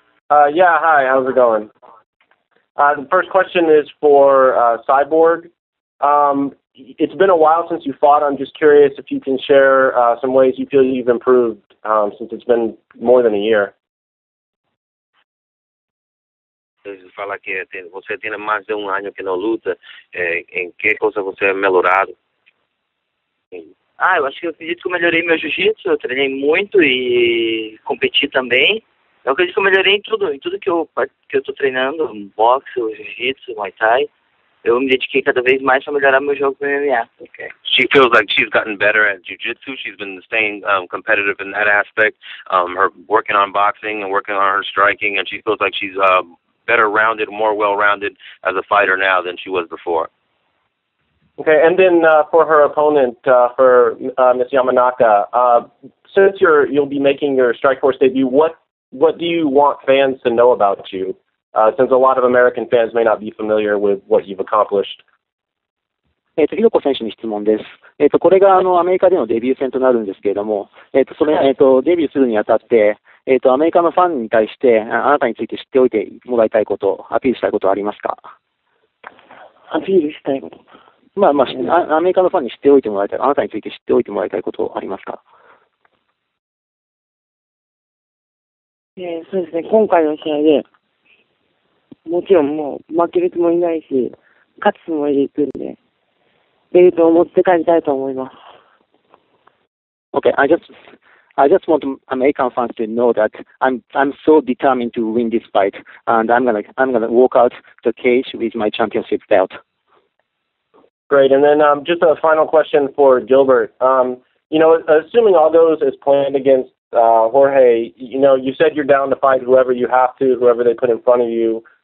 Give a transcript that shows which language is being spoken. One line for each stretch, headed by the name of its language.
English: Yeah, hi. How's it going? The first question is for Cyborg. It's been a while since you fought. I'm just curious if you can share some ways you feel you've improved since it's been more than a year.
Portuguese: Fala que você tem mais de ano que não luta. Em que coisa você melhorado? Ah, eu acho que eu acredito que eu melhorei meu jiu-jitsu, eu treinei muito e competi também. Eu acredito que eu melhorei em tudo que eu tô treinando, boxe, jiu-jitsu, muay thai. Eu me dediquei cada vez mais para melhorar meu jogo com MMA.
English: Okay. She feels like she's gotten better at jiu-jitsu. She's been staying competitive in that aspect. Her working on boxing and working on her striking, and she feels like she's better rounded, more well-rounded as a fighter now than she was before. Okay, and then for her opponent, for Ms. Yamanaka, since you'll be making your Strikeforce debut, what do you want fans to know about you, since a lot of American fans may not be familiar with what you've accomplished?
Japanese: 次の子選手に質問です。これがアメリカでのデビュー戦となるんですけれども、それ、デビューするにあたって、アメリカのファンに対してあなたについて知っておいてもらいたいこと、アピールしたいことはありますか？アピールしたいこと。アメリカのファンに知っておいてもらいたい、あなたについて知っておいてもらいたいことありますか？そうですね、今回の試合でもちろんもう負けるつもりないし、勝つつもりでいくんで、ベルトを持って帰りたいと思います。
English: Okay, I just want American fans to know that I'm so determined to win this fight, and I'm gonna walk out the cage with my championship belt. Great, and then just a final question for Gilbert. You know, assuming all goes as planned against Jorge, you know, you said you're down to fight whoever you have to, whoever they put in front of you.